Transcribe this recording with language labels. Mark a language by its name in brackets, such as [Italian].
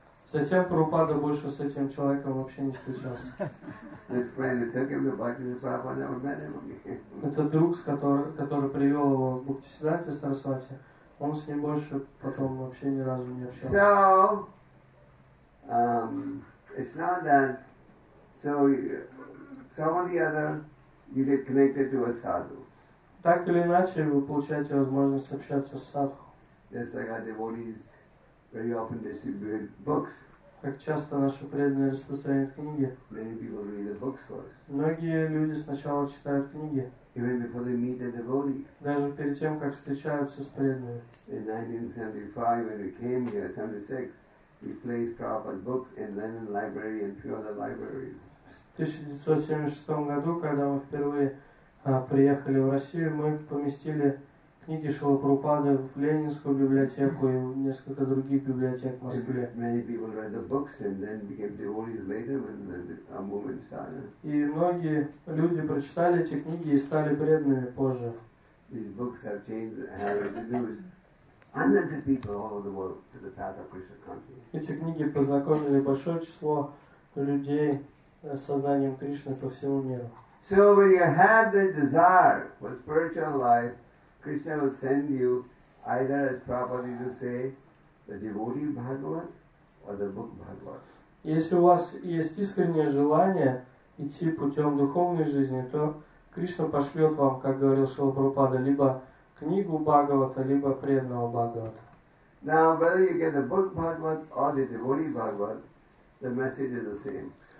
[Russian] Затем Прабхупада больше с этим человеком вообще не встречался. Этот друг, который привел его к Бхактисиддханте Сарасвати, он с ним больше потом вообще ни разу не общался. [English] So, it's not that. So, some or the other, you get connected to a sadhu. [Russian] Так или иначе, вы получаете возможность общаться с садху. [English] Just like our devotees very often distribute books. [Russian] Как часто наши преданные распространяют книги. [English] Many people read the books first. [Russian] Многие люди сначала читают книги. [English] Even before they meet a devotee. [Russian] Даже перед тем, как встречаются с преданными. [English] In 1975, when we came here, 76, we placed Prabhupada's books in Lenin Library and few other libraries. [Russian] В 1976 году, когда мы впервые приехали в Россию, мы поместили книги Шрилы Прабхупады в Ленинскую библиотеку и в несколько других библиотек в Москве. [English] Many people read the books and then became devotees later when our movement started. [Russian] И многие люди прочитали эти книги и стали преданными позже. [English] These books have changed and introduced hundreds of people all over the world to the path of Krishna consciousness. [Russian] Эти книги познакомили большое число людей с сознанием Кришны по всему миру. [English] So when you have the desire for spiritual life, Krishna will send you either, as Prabhupada used to say, the devotee Bhagavat or the book Bhagavat. [Russian] Если у вас есть искреннее желание идти путем духовной жизни, то Кришна пошлет вам, как говорил Шрила Прабхупада, либо книгу Бхагавата, либо преданного Бхагавата. [English] Now, whether you get the book Bhagavat or the devotee Bhagavat, the message is the same.